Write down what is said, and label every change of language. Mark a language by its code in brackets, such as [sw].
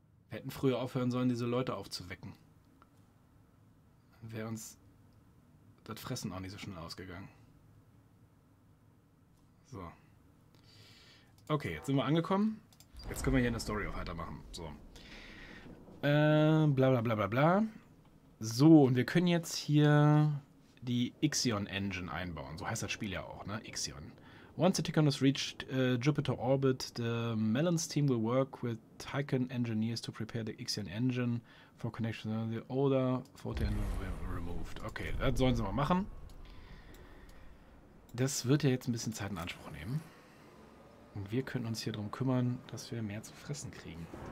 [de] Wir hätten früher aufhören sollen, diese Leute aufzuwecken. Dann wäre uns das Fressen auch nicht so schnell ausgegangen. So. Okay, jetzt sind wir angekommen. Jetzt können wir hier in der Story auch weitermachen. So. Bla bla bla bla bla. So, und wir können jetzt hier die Ixion Engine einbauen. So heißt das Spiel ja auch, ne? Ixion. [en] Once the Tychon has reached Jupiter orbit, the Melon's team will work with Tychon engineers to prepare the Ixion Engine for connection to the older Photon engine will be removed. [de] Okay, das sollen sie mal machen. Das wird ja jetzt ein bisschen Zeit in Anspruch nehmen. Und wir können uns hier darum kümmern, dass wir mehr zu fressen kriegen.